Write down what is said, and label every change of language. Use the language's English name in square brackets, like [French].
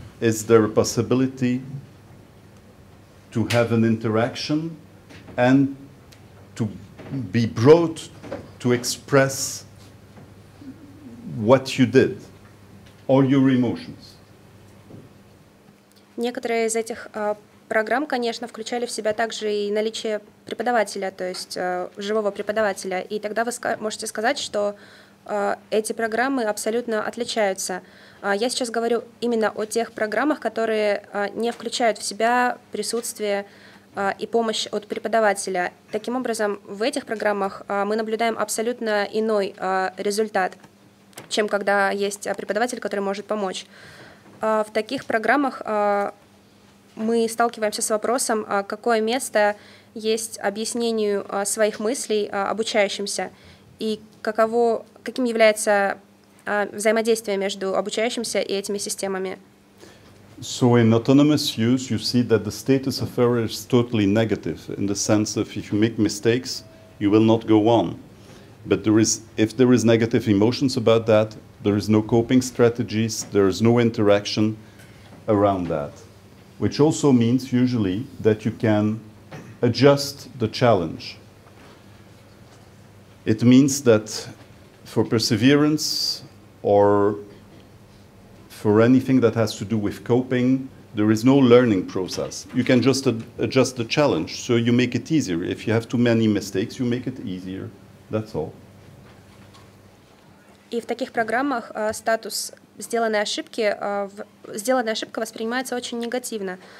[English] is there a possibility to have an interaction and to be brought to express what you did or your emotions? [Russian] Некоторые из этих программ, конечно, включали в себя также и наличие преподавателя, то есть живого преподавателя. И тогда вы можете сказать, что эти программы абсолютно отличаются. Я сейчас говорю именно о тех программах, которые не включают в себя присутствие и помощь от преподавателя. Таким образом, в этих программах мы наблюдаем абсолютно иной результат, чем когда есть преподаватель, который может помочь. В таких программах мы сталкиваемся с вопросом, какое место есть объяснению своих мыслей обучающимся и каким является взаимодействие между обучающимся и этими системами. [English] So in autonomous use, you see that the status of error is totally negative in the sense of if you make mistakes, you will not go on. But if there is negative emotions about that, there is no coping strategies, there is no interaction around that. Which also means usually that you can adjust the challenge. It means that for perseverance or for anything that has to do with coping, there is no learning process. You can just adjust the challenge, so you make it easier. If you have too many mistakes, you make it easier. That's all. [Russian] И в таких программах статус сделанная ошибка воспринимается очень негативно.